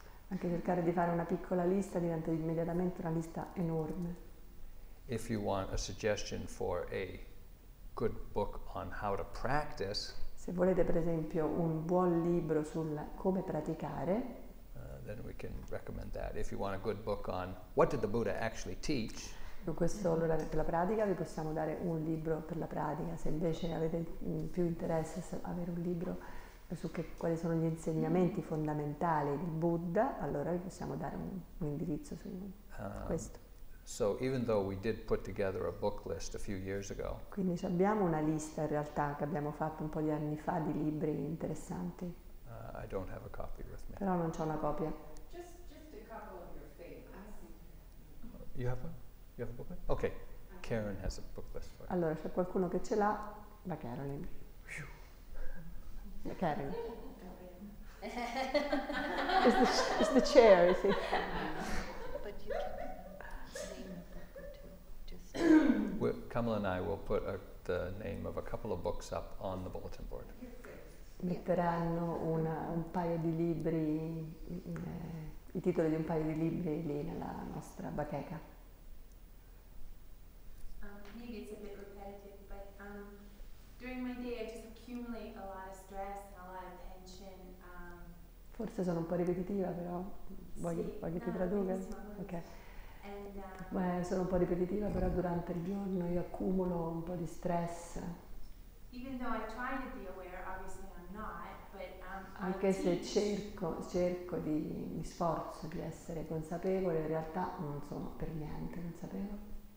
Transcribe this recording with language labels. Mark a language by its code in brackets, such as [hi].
[it] Anche cercare di fare una piccola lista diventa immediatamente una lista enorme. [en] If you want a suggestion for a good book on how to practice, [it] se volete per esempio un buon libro sul come praticare, [en] then we can recommend that. If you want a good book on what did the Buddha actually teach, [it] in questo allora per la pratica vi possiamo dare un libro per la pratica. Se invece avete più interesse avere un libro su che, quali sono gli insegnamenti fondamentali del Buddha, allora vi possiamo dare un indirizzo su questo. [en] So even though we did put together a book list a few years ago, [it] quindi abbiamo una lista in realtà che abbiamo fatto un po' di anni fa di libri interessanti. [en] I don't have a copy with me. [it] Però non c'ho una copia. [en] Just a couple of your favorites. You have a book list? Okay. Karen has a book list for you. [it] Allora, c'è qualcuno che ce l'ha, la Carolyn. [en] Karen. It's the chair, you see. But you can. Kamala and I will put the name of a couple of books up on the bulletin board. [it] Metteranno un paio di libri, i titoli di un paio di libri lì nella nostra bacheca. [en] Maybe it's a bit repetitive, but definitely a lot of stress and a lot of tension. [it] Forse sono un po' ripetitiva, però voglio ti tradurre. Ok. Beh, sono un po' ripetitiva, però durante il giorno io accumulo un po' di stress. [en] Even though I try to be aware, obviously I'm not, but [it] anche se cerco di, mi sforzo di essere consapevole, in realtà non sono per niente consapevole.